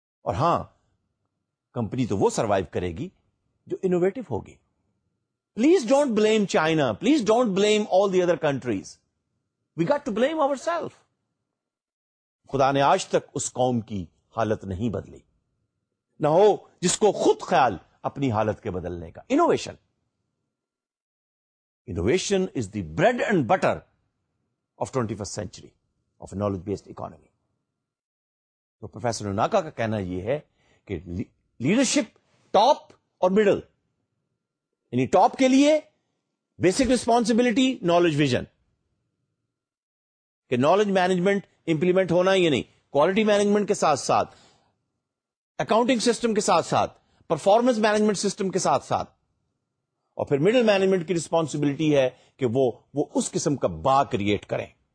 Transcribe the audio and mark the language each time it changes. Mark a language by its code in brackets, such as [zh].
[ur] اور ہاں، کمپنی تو وہ سروائیو کرے گی جو innovative ہوگی. [en] Please don't blame China. Please don't blame all the other countries. We got to blame ourselves. [ur] خدا نے آج تک اس قوم کی حالت نہیں بدلی. نہ ہو جس کو خود خیال اپنی حالت کے بدلنے کا. [en] Innovation innovation is the bread and butter of 21st century of a knowledge based economy. [ur] تو پروفیسر اوناکا کا کہنا یہ ہے کہ لیڈرشپ ٹاپ اور مڈل, یعنی ٹاپ کے لیے بیسک ریسپانسبلٹی نالج ویژن, کہ نالج مینجمنٹ امپلیمنٹ ہونا یا نہیں, کوالٹی مینجمنٹ کے ساتھ ساتھ, اکاؤنٹنگ سسٹم کے ساتھ ساتھ, پرفارمنس مینجمنٹ سسٹم کے ساتھ ساتھ, اور پھر مڈل مینجمنٹ کی ریسپانسبلٹی ہے کہ وہ اس قسم کا با کریٹ کریں.